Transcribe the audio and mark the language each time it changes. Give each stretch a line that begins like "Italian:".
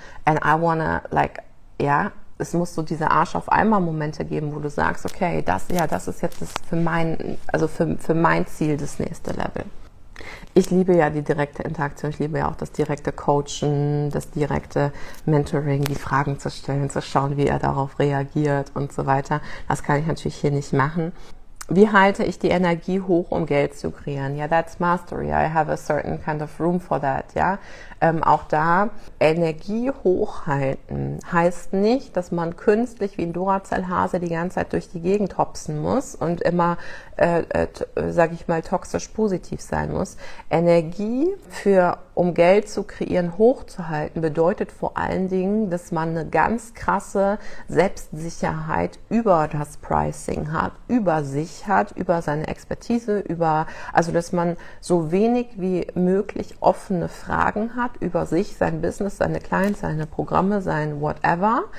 English: And I wanna, like, yeah,
German: es muss so diese Arsch-auf-Eimer-Momente geben, wo du sagst, okay, das ist jetzt das für mein Ziel das nächste Level. Ich liebe ja die direkte Interaktion, ich liebe ja auch das direkte Coachen, das direkte Mentoring, die Fragen zu stellen, zu schauen, wie er darauf reagiert und so weiter. Das kann ich natürlich hier nicht machen. Wie halte ich die Energie hoch, um Geld zu kreieren?
English: Ja, that's mastery. I have a certain kind of room for that.
German: Ja, auch da Energie hochhalten heißt nicht, dass man künstlich wie ein Duracell-Hase die ganze Zeit durch die Gegend hopsen muss und immer, sag ich mal, toxisch positiv sein muss. Energie um Geld zu kreieren, hochzuhalten, bedeutet vor allen Dingen, dass man eine ganz krasse Selbstsicherheit über das Pricing hat, über sich hat, über seine Expertise, also dass man so wenig wie möglich offene Fragen hat über sich, sein Business, seine Clients, seine Programme, sein whatever.